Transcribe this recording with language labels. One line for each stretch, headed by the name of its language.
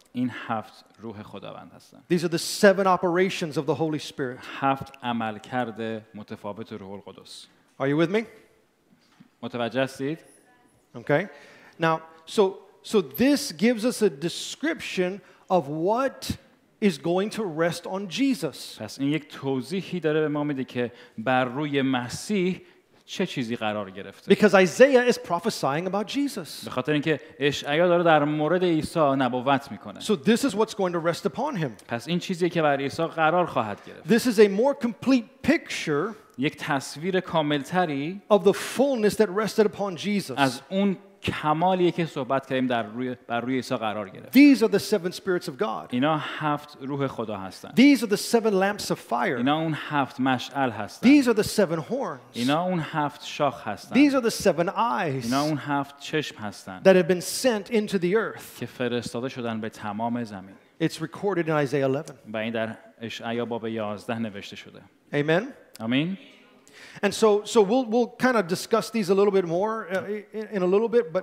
Persian: این هفت روح خداوند هستند.
English: These are the seven operations of the Holy Spirit.
Persian: هفت عملکرد متفاوت روح القدس.
English: Are you with me?
Persian: متوجه هستید؟
English: Okay. Now, so this gives us a description of what is going to rest on Jesus.
Persian: پس این یک توضیحی داره به ما میده که بر روی مسیح چه چیزی قرار گرفته.
English: Because Isaiah is prophesying about Jesus.
Persian: به خاطر اینکه اشعیا داره در مورد عیسی نبوت میکنه.
English: So this is what's going to rest upon him.
Persian: پس این چیزی که بر عیسی قرار خواهد گرفت.
English: This is a more complete picture.
Persian: یک تصویر کاملتری.
English: Of the fullness that rested upon Jesus.
Persian: از اون کمالی که صحبت کردیم در روی بر روی عیسی قرار گرفت.
English: These are the seven spirits of God.
Persian: اینا هفت روح خدا هستند.
English: These are the seven lamps of fire.
Persian: اینا اون هفت مشعل هستند.
English: These are the seven horns.
Persian: اینا اون هفت شاخ هستند.
English: These are the seven eyes.
Persian: اینا اون هفت چشم هستند.
English: That have been sent into the earth.
Persian: که فرستاده شدن به تمام زمین.
English: It's recorded in Isaiah 11.
Persian: و این در اشعیا باب 11 نوشته شده.
English: Amen.
Persian: آمین.
English: And so we'll kind of discuss these a little bit more in a little bit, but